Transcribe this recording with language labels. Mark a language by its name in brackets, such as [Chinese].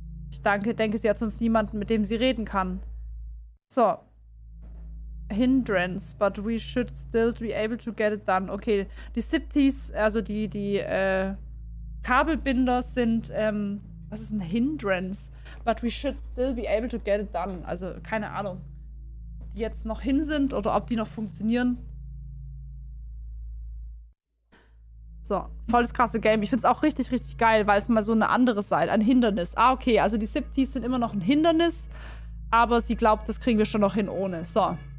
[German] Ich denke, sie hat sonst niemanden, mit dem sie reden kann. So. [English] Hindrance, but we should still be able to get it done. [German] Okay, die SIPTs, also die Kabelbinder sind, was ist ein Hindrance? [English] But we should still be able to get it done. [German] Also, keine Ahnung. Die jetzt noch hin sind oder ob die noch funktionieren. So, voll das krasse Game. Ich find's auch richtig, richtig geil, weil es mal so eine andere Seite, ein Hindernis. Ah, okay, also die SIPTs sind immer noch ein Hindernis, aber sie glaubt, das kriegen wir schon noch hin ohne. So.